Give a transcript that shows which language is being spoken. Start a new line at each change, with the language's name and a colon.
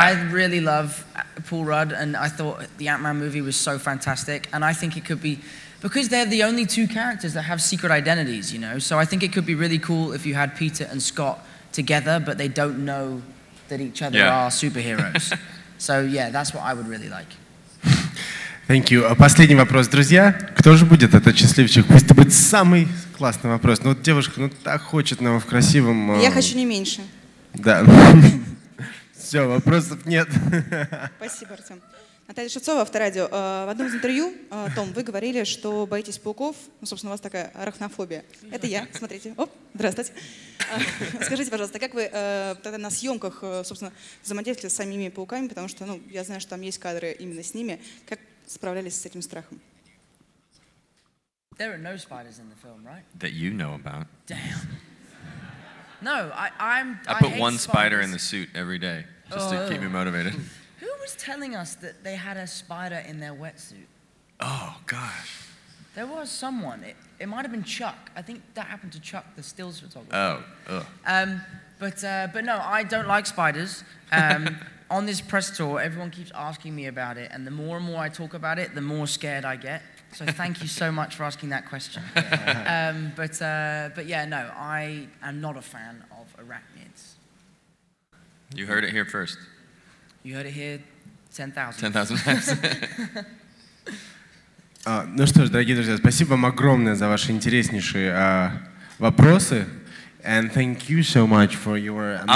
English: I really love Paul Rudd, and I thought the Ant-Man movie was so fantastic. And I think it could be, because they're the only two characters that have secret identities, you know? So I think it could be really cool if you had Peter and Scott together, but they don't know that each other are superheroes. So yeah, that's what I would really like. Thank you.
Russian: Последний вопрос, друзья. Кто же будет этот счастливчик? Пусть это будет самый классный вопрос. Ну вот девушка, ну так хочет нам в красивом... Я хочу не меньше. Да. Все, вопросов нет. Спасибо, Артем. Наталья Шевцова, Авторадио. В одном из интервью, Том, вы говорили, что боитесь пауков. Ну, собственно, у вас такая арахнофобия. Это я, смотрите. Оп, здравствуйте. Скажите, пожалуйста, как вы тогда на съемках, собственно, взаимодействовали с самими пауками? Потому что, ну, я знаю, что там есть кадры именно с ними. Как справлялись с этим страхом?
English: There are no spiders in the film, right? That you know about. Damn. No, I'm... I put one spider in the suit every day, just to keep me motivated. Who was telling us that they had a spider in their wetsuit? Oh, gosh. There was someone. It might have been Chuck. I think that happened to Chuck, the stills photographer. Oh, ugh. But no, I don't like spiders. on this press tour, everyone keeps asking me about it, and the more and more I talk about it, the more scared I get. So thank you so much for asking that question. But I am not a fan of arachnids. You heard it here first. You heard it here 10,000. 10,000 times.
Russian: Ну что ж, дорогие друзья, спасибо вам огромное за ваши интереснейшие вопросы.
English: And thank you so much for your amazing answers.